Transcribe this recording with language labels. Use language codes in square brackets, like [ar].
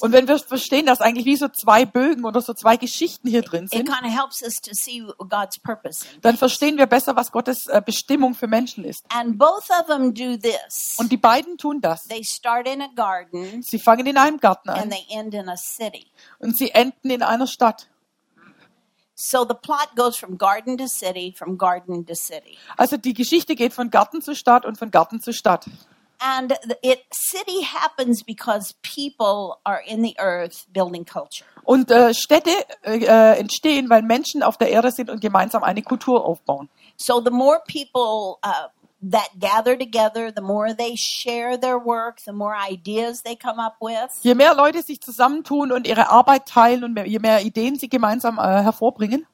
[de] Und wenn wir verstehen, dass eigentlich wie so zwei Bögen oder so zwei Geschichten hier drin sind, [en] it kind of helps us to see God's purpose. [de] Dann verstehen wir besser, was Gottes Bestimmung für Menschen ist. [en] And both of them do this. [de] Und die beiden tun das. [en] They start in a garden. [de] Sie fangen in einem Garten an. [en] And they end in a city. [de] Und sie enden in einer Stadt. [en] So the plot goes from garden to city, from garden to city. [de] Also die Geschichte geht von Garten zu Stadt und von Garten zu Stadt. [en] And it city happens because people are in the earth building culture. [de] Und Städte entstehen, weil Menschen auf der Erde sind und gemeinsam eine Kultur aufbauen. [en] So the more people that gather together, the more they share their work, the more ideas they come up with. [de] Je mehr Leute sich zusammentun und ihre Arbeit teilen und je mehr Ideen sie gemeinsam hervorbringen.